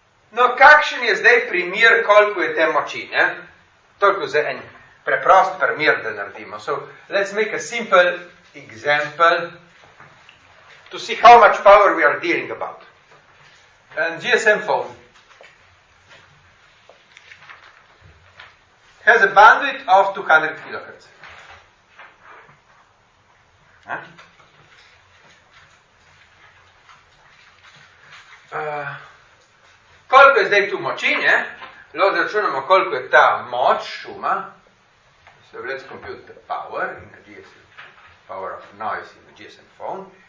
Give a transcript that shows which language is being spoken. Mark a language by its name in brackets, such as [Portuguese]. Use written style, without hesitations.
[Slovenian] No, kakšen je zdaj primer, koliko je te moči? Ne? Toliko za en preprost primer, da naredimo. [English] So, let's make a simple example to see how much power we are dealing about. And GSM phone has a bandwidth of 200 kHz. [Slovenian] Koliko je zdaj tu moči, ne? Lahko zračunamo, koliko je ta moč, šuma. [English] So let's compute the power in the GSM, power of noise in the GSM phone.